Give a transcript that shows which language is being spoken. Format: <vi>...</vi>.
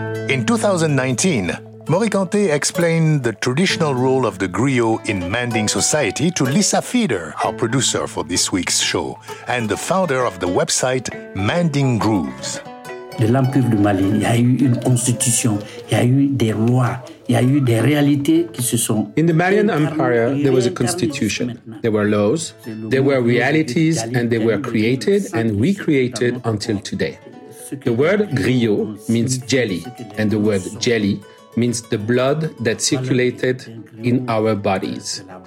<en>In 2019, Maury Kanté explained the traditional role of the griot in Manding society to Lisa Feeder, our producer for this week's show, and the founder of the website Manding Grooves.</en> <fr>De l'empire du Mali, il y a eu une constitution, il y a eu des lois.</fr> <en>In the Malian Empire, there was a constitution, there were laws, there were realities, and they were created and recreated until today. The word griot means jelly, and the word jelly means the blood that circulated in our bodies.</en>